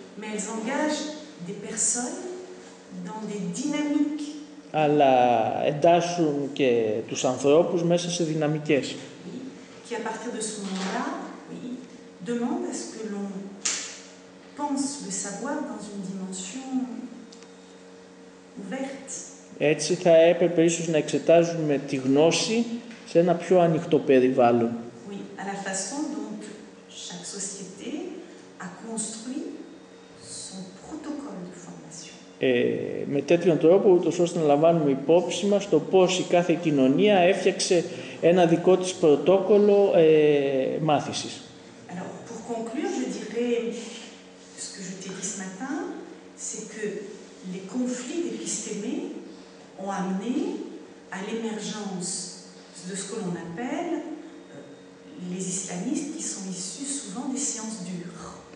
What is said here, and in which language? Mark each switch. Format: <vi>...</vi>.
<fr>Mais elles engagent des personnes dans des dynamiques.</fr> <el>Αλλά εντάσσουν και τους ανθρώπους μέσα σε δυναμικές.</el> <fr>Qui à partir de ce moment-là, demande à ce que l'on pense le savoir dans une dimension ouverte.</fr> <el>Έτσι θα έπρεπε ίσως να εξετάζουμε τη γνώση σε ένα πιο ανοιχτό περιβάλλον.</el> <fr>Oui, à la façon dont chaque société a construit son protocole de formation.</fr> <el>Με τέτοιον τρόπο, ούτως ώστε να λαμβάνουμε υπόψη μας το πώς η κάθε κοινωνία έφτιαξε ένα δικό της πρωτόκολλο μάθησης.</el> <fr>Alors, pour conclure, je dirais ce que je t'ai dit ce matin, c'est que les conflits épistémés ont amené à l'émergence de ce que l'on appelle les islamistes qui sont issus souvent des sciences dures.</fr>